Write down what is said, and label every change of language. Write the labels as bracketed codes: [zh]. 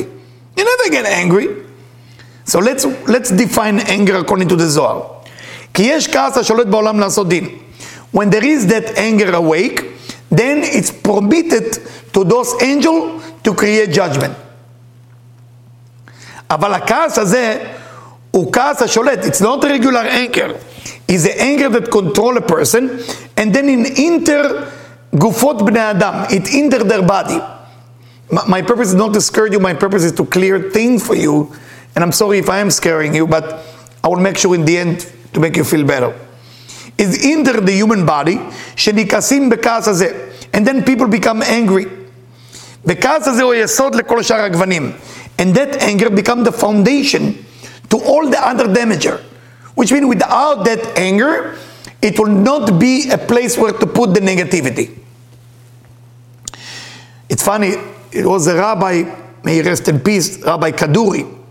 [en] You never get angry. So let's define anger according to the Zohar. [he] Ki yesh kas ha'sholet ba'olam la'asot din. [en] When there is that anger awake, then it's permitted to those angels to create judgment. [he] אבל הכעס הזה הוא כעס השולט. [en] It's not a regular anger. It's the anger that controls a person and then it enter [he] גופות בני אדם. [en] It enter their body. My purpose is not to scare you. My purpose is to clear things for you. And I'm sorry if I am scaring you, but I will make sure in the end to make you feel better. It's enter the human body [he] שנכסים בכעס הזה. [en] And then people become angry. [he] בכעס הזה הוא יסוד לכל שאר הגוונים. [en] And that anger become the foundation to all the other damager. Which means without that anger, it will not be a place where to put the negativity. It's funny, it was a rabbi, may he rest in peace, Rabbi Kaduri.